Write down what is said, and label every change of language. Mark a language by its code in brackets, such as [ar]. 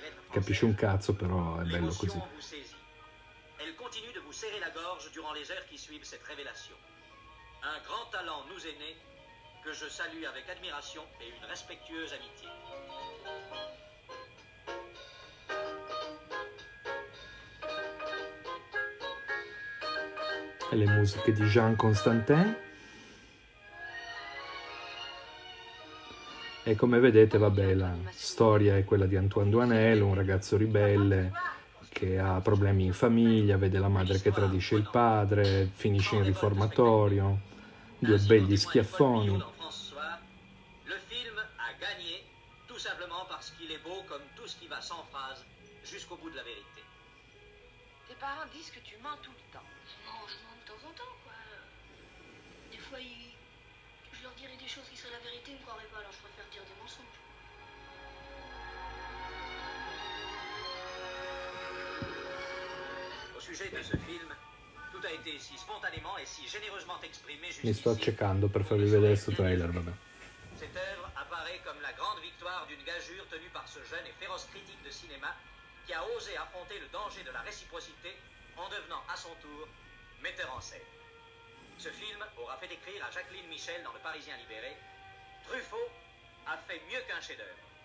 [it] Capisci un cazzo, però è bello così. [fr] Elle continue de vous serrer la gorge durant les heures qui suivent cette révélation. Un grand talent nous est né que je salue avec admiration et une respectueuse amitié. [it] E le musiche di Jean Constantin. E come vedete, vabbè, la storia è quella di Antoine Doinel, un ragazzo ribelle che ha problemi in famiglia, vede la madre che tradisce il padre, finisce in riformatorio, due begli schiaffoni. [fr] Le film ha gagné tout simplement parce qu'il est beau comme tout ce qui va sans phrase jusqu'au bout de la vérité. Tes parents disent que tu mens tout le temps. Je mens de temps en temps, quoi. Des fois, je leur dirai des choses qui seraient la vérité, ils ne croiraient pas, alors je préfère dire des mensonges. Au sujet de ce film, tout a été si spontanément et si généreusement exprimé jusqu'ici. [it] Mi sto accecando per farvi vedere questo trailer, vabbè. [fr] Cette œuvre apparaît comme la grande victoire d'une gageure tenue par ce jeune et féroce critique de cinéma qui a osé affronter le danger de la réciprocité en devenant à son tour metteur en scène. Ce film aura fait écrire à Jacqueline Michel dans Le Parisien Libéré: Truffaut a fait mieux qu'un chef-d'œuvre.